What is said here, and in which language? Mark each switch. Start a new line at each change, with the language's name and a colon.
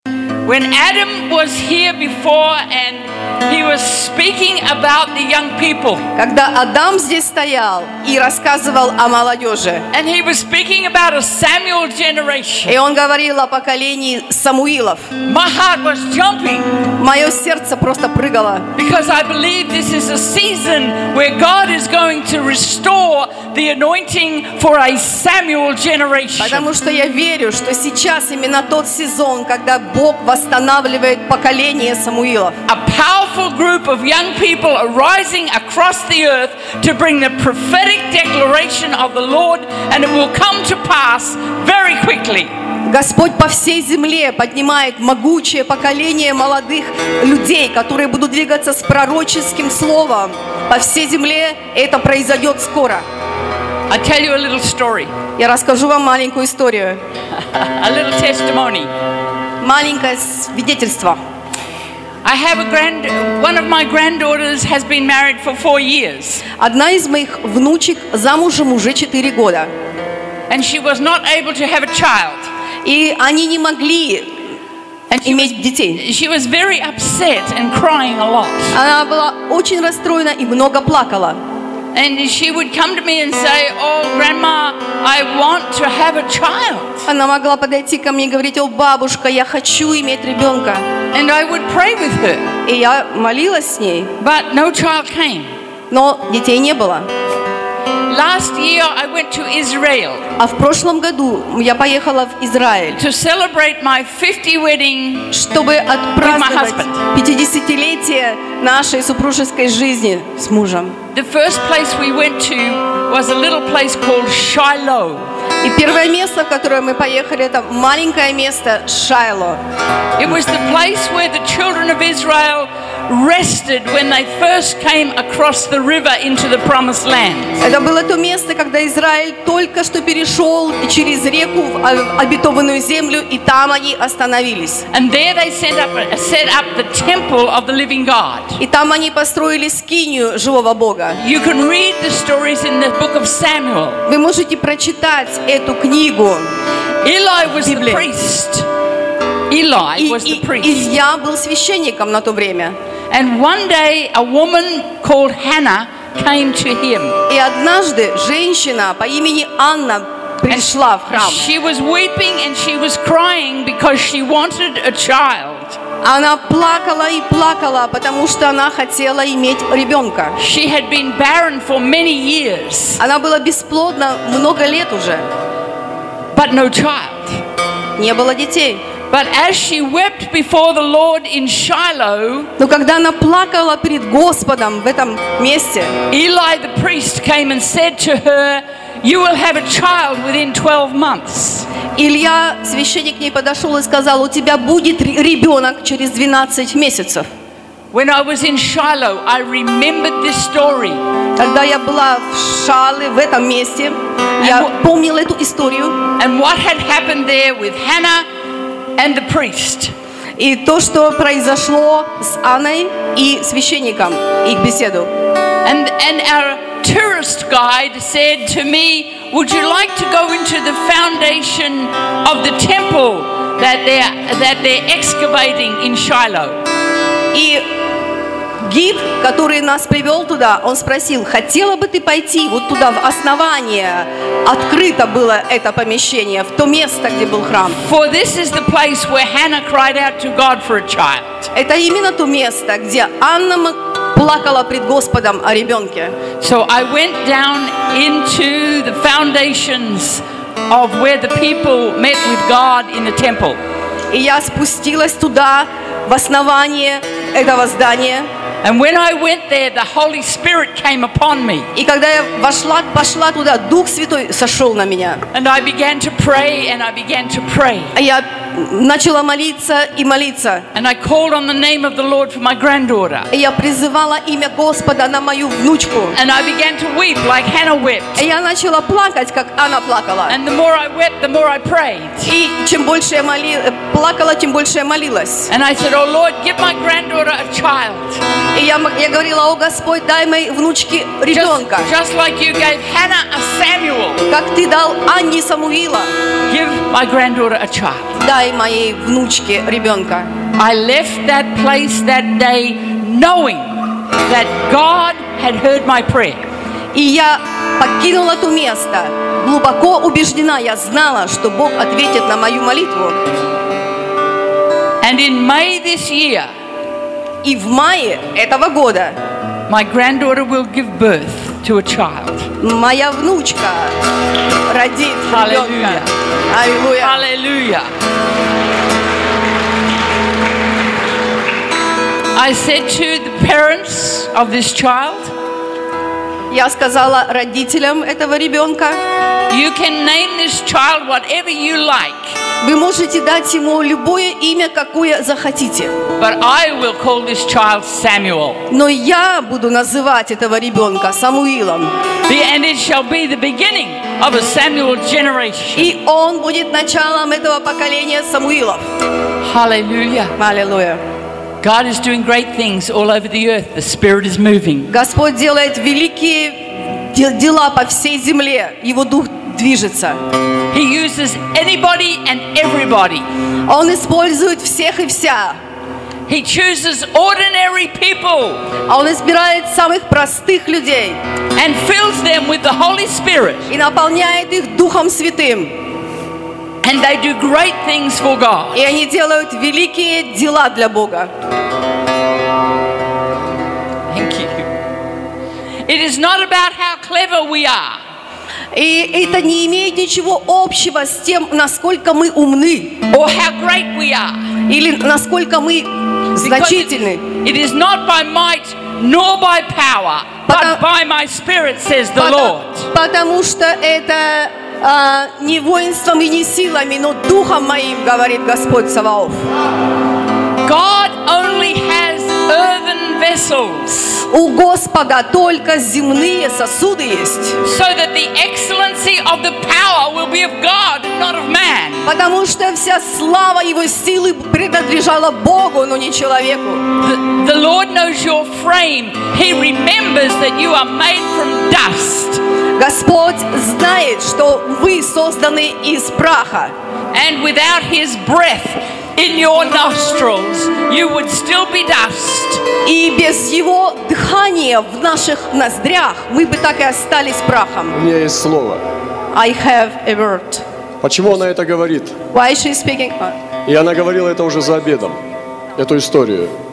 English: When Adam was here before and he was speaking about the young people.
Russian: Когда Адам здесь стоял и рассказывал о молодежи.
English: And he was speaking about a Samuel generation.
Russian: И он говорил о поколении Самуилов.
English: My heart was jumping.
Russian: Мое сердце просто прыгало.
English: Because I believe this is a season where God is going to restore the anointing for a Samuel generation.
Russian: Потому что я верю, что сейчас именно тот сезон, когда Бог восстанавливает поколение Самуилов.
English: A powerful group of young people arising across the earth to bring the prophetic declaration of the Lord, and it will come to pass very quickly.
Russian: Господь по всей земле поднимает могучее поколение молодых людей, которые будут двигаться с пророческим словом. По всей земле это произойдет скоро.
English: I'll tell you a little story.
Russian: Я расскажу вам маленькую историю.
English: A little testimony.
Russian: Маленькое свидетельство.
English: I have a grand, one of my granddaughters has been married for 4 years.
Russian: Одна из моих внучек замужем уже 4 года.
English: And she was not able to have a child.
Russian: И они не могли иметь детей.
English: She was very upset and crying a lot.
Russian: Она была очень расстроена и много плакала.
English: And she would come to me and say, "Oh, grandma, I want to have a child."
Russian: Она могла подойти ко мне и говорить: "О, бабушка, я хочу иметь ребенка."
English: And I would pray with her.
Russian: И я молилась с ней.
English: But no child came.
Russian: Но детей не было.
English: Last year I went to Israel.
Russian: А в прошлом году я поехала в Израиль.
English: To celebrate my 50th wedding.
Russian: Чтобы отпраздновать 50-летие нашей супружеской жизни с мужем.
English: The first place we went to was a little place called Shiloh.
Russian: И первое место, в которое мы поехали, это маленькое место Шайло.
English: It was the place where the children of Israel rested when they first came across the river into the promised land.
Russian: Это было то место, когда Израиль только что перешел через реку в обетованную землю, и там они остановились.
English: And there they set up the temple of the living God.
Russian: И там они построили скинию живого Бога.
English: You can read the stories in the book of Samuel.
Russian: Вы можете прочитать эту книгу.
English: Eli was the priest. Eli was the priest.
Russian: Илья был священником на то время.
English: And one day a woman called Hannah came to him.
Russian: И однажды женщина по имени Анна пришла в храм.
English: She was weeping and she was crying because she wanted a child.
Russian: Она плакала и плакала, потому что она хотела иметь ребенка.
English: She had been barren for many years.
Russian: Она была бесплодна много лет уже.
English: But no child.
Russian: Не было детей.
English: But as she wept before the Lord in Shiloh,
Russian: но когда она плакала перед Господом в этом месте,
English: Eli the priest came and said to her, "You will have a child within 12 months."
Russian: Илья священник к ней подошел и сказал: "У тебя будет ребенок через 12 месяцев."
English: When I was in Shiloh, I remembered this story.
Russian: Когда я была в Шайло, в этом месте, я помнила эту историю.
English: And what had happened there with Hannah? And the priest.
Russian: И то, что произошло с Анной и священником, их беседу.
English: And our tourist guide said to me, "Would you like to go into the foundation of the temple that they're excavating in Shiloh?"
Russian: И гид, который нас привел туда, он спросил: "Хотела бы ты пойти вот туда в основание?" Открыто было это помещение, в то место, где был храм.
English: For this is the place where Hannah cried out to God for a child.
Russian: Это именно то место, где Анна плакала пред Господом о ребенке.
English: So I went down into the foundations of where the people met with God in the temple.
Russian: И я спустилась туда, в основание этого здания.
English: And when I went there, the Holy Spirit came upon me.
Russian: И когда я пошла туда, Дух Святой сошел на меня.
English: And I began to pray, and I began to pray.
Russian: Я начала молиться и молиться.
English: And I called on the name of the Lord for my granddaughter.
Russian: И я призывала имя Господа на мою внучку.
English: And I began to weep like Hannah wept.
Russian: И я начала плакать, как Анна плакала.
English: And the more I wept, the more I prayed.
Russian: И чем больше я плакала, тем больше я молилась.
English: And I said, "Oh Lord, give my granddaughter a child."
Russian: И я говорила: "О Господь, дай моей внучке ребенка."
English: Just like you gave Hannah a Samuel.
Russian: Как ты дал Анне Самуила.
English: Give my granddaughter a child.
Russian: Дай моей внучке ребенка.
English: I left that place that day knowing that God had heard my prayer.
Russian: И я покинула то место, глубоко убеждена, я знала, что Бог ответит на мою молитву.
English: And in May this year,
Russian: и в мае этого года,
English: my granddaughter will give birth to a child.
Russian: Моя внучка родит ребенка. Аллилуйя. Аллилуйя.
English: I said to the parents of this child,
Russian: я сказала родителям этого ребенка,
English: you can name this child whatever you like.
Russian: Вы можете дать ему любое имя, какое захотите.
English: But I will call this child Samuel.
Russian: Но я буду называть этого ребенка Самуилом.
English: And it shall be the beginning of a Samuel generation.
Russian: И он будет началом этого поколения Самуилов.
English: Hallelujah.
Russian: Аллилуйя.
English: God is doing great things all over the earth. The Spirit is moving.
Russian: Господь делает великие дела по всей земле. Его дух движется.
English: He uses anybody and everybody.
Russian: Он использует всех и вся.
English: He chooses ordinary people.
Russian: Он избирает самых простых людей.
English: And fills them with the Holy Spirit.
Russian: И наполняет их Духом Святым.
English: And they do great things for God.
Russian: И они делают великие дела для Бога.
English: Thank you. It is not about how clever we are.
Russian: И это не имеет ничего общего с тем, насколько мы умны.
English: Or how great we are.
Russian: Или насколько мы значительны.
English: It is not by might nor by power, but by my Spirit, says the Lord.
Russian: Потому что это не воинством и не силами, но духом моим, говорит Господь Саваоф.
English: God only has earthen vessels.
Russian: У Господа только земные сосуды есть.
English: So that the excellency of the power will be of God, not of man.
Russian: Потому что вся слава Его силы принадлежала Богу, но не человеку.
English: The Lord knows your frame. He remembers that you are made from dust.
Russian: Господь знает, что вы созданы из праха.
English: And without His breath in your nostrils, you would still be dust.
Russian: И без Его дыхания в наших ноздрях мы бы так и остались прахом. У меня есть слово.
English: I have a word.
Russian: Почему она это говорит?
English: Why is she speaking?
Russian: И она говорила это уже за обедом, эту историю.